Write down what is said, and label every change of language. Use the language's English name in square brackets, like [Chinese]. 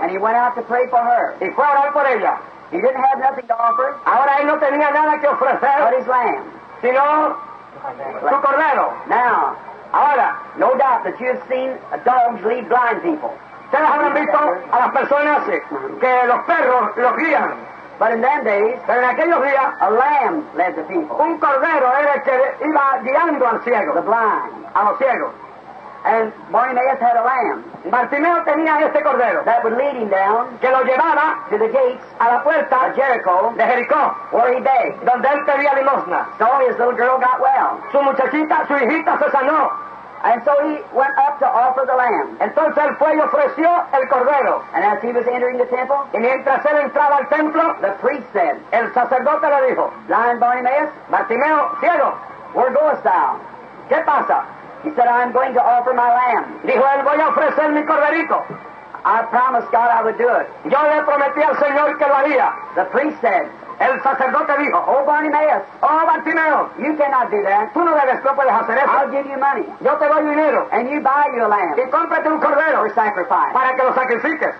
[English] And he went out to pray for her. [Spanish] Y fue a orar por ella. [English] He didn't have nothing to offer. [Spanish] Ahora él no tenía nada que ofrecer. [English] But his lamb. [Spanish] Sino su cordero. [English] Now, [Spanish] ahora, [English] no doubt that you have seen dogs lead blind people. [Spanish] Ustedes habrán visto a las personas que los perros los guían. [English] But in them days, [Spanish] pero en aquellos días, [English] a lamb led the people. [Spanish] Un cordero era el que iba guiando al ciego. [English] The blind. [Spanish] A los ciegos. [English] And Bartimaeus had a lamb. [Spanish] Bartimeo tenía este cordero. [English] That would lead him down. [Spanish] Que lo llevaba [English] to the gates, [Spanish] a la puerta [English] of Jericho, [Spanish] de Jericó. [English] Where he begged. [Spanish] Donde él pedía limosna. [English] So his little girl got well. [Spanish] Su muchachita, su hijita se sanó. [English] And so he went up to offer the lamb. [Spanish] Entonces él fue y ofreció el cordero. [English] And as he was entering the temple, [Spanish] y mientras él entraba al templo, [English] the priest said, [Spanish] el sacerdote le dijo, [English] blind Bartimaeus, [Spanish] Bartimeo, ciego, [English] where goest thou? [Spanish] ¿Qué pasa? [English] He said, I'm going to offer my lamb. [Spanish] Dijo él, voy a ofrecer mi corderito. [English] I promised God I would do it. [Spanish] Yo le prometí al Señor que lo haría. [English] The priest said, [Spanish] el sacerdote dijo, [English] oh, Bartimaeus. [Spanish] Oh, Bartimeo. [English] You cannot do that. [Spanish] Tú no debes, no puedes hacer eso. [English] I'll give you money. [Spanish] Yo te doy dinero. [English] And you buy your lamb. [Spanish] Y cómprate un cordero. [English] For sacrifice. [Spanish] Para que lo sacrifiques.